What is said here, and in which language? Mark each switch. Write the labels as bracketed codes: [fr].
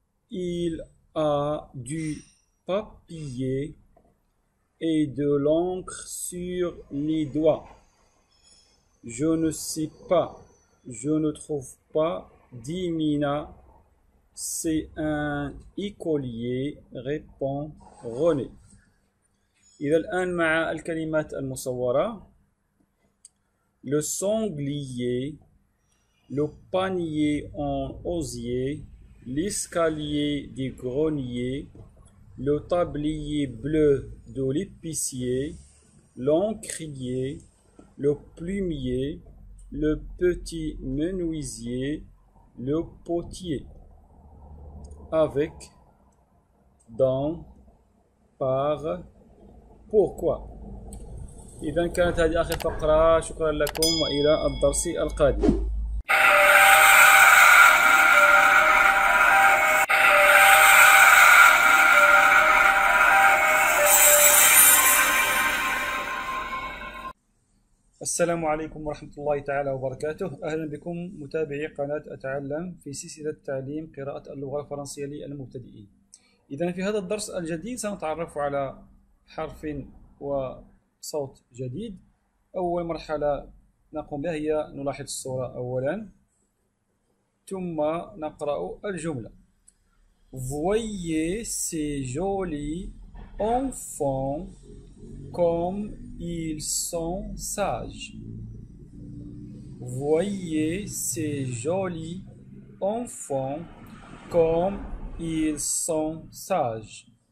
[fr] Il a du papier et de l'encre sur les doigts. Je ne sais pas. Je ne trouve pas. Dit Mina, c'est un écolier, répond René. [ar] إذا الآن مع الكلمات المصورة. [fr] Le sanglier, le panier en osier, l'escalier du grenier, le tablier bleu de l'épicier, l'encrier, le plumier, le petit menuisier, le potier, avec, dans, par, pourquoi. [ar] إذا كانت هذه آخر فقرة، شكرا لكم وإلى الدرس القادم. السلام عليكم ورحمة الله تعالى وبركاته. أهلا بكم متابعي قناة أتعلم في سلسلة تعليم قراءة اللغة الفرنسية للمبتدئين. إذا في هذا الدرس الجديد سنتعرف على حرف وصوت جديد. أول مرحلة نقوم بها هي نلاحظ الصورة أولا، ثم نقرأ الجملة. [fr] Voyez ces jolis enfants comme ils sont sages. Voyez ces jolis enfants comme ils sont sages.